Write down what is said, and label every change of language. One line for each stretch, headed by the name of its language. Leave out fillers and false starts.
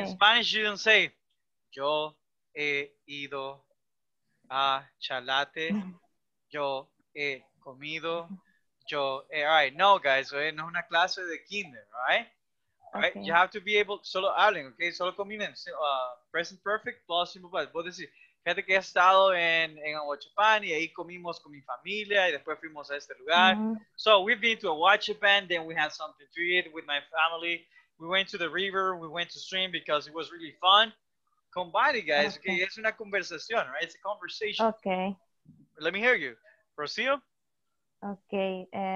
English: In Spanish, you don't say,
Spanish: yo he ido a Chalate. Yo he comido. Yo he. All right. No, guys. No una clase de kinder, right? Okay.
English: Right. You have to be able
Spanish: solo hablen,
English: okay?
Spanish: Solo combinen.
English: Present perfect plus simple past.
Spanish: Vos decís, fíjate que he estado en Huachapán y ahí comimos con mi familia y después fuimos a este lugar. Mm-hmm.
English: So we've been to a Huachapán, then we had something to eat with my family. We went to the river, we went to stream because it was really fun. Combine it, guys. Okay. Okay.
Spanish: Es una conversación,
English: right? It's a conversation. Okay. Let me hear you. Rocio? Okay.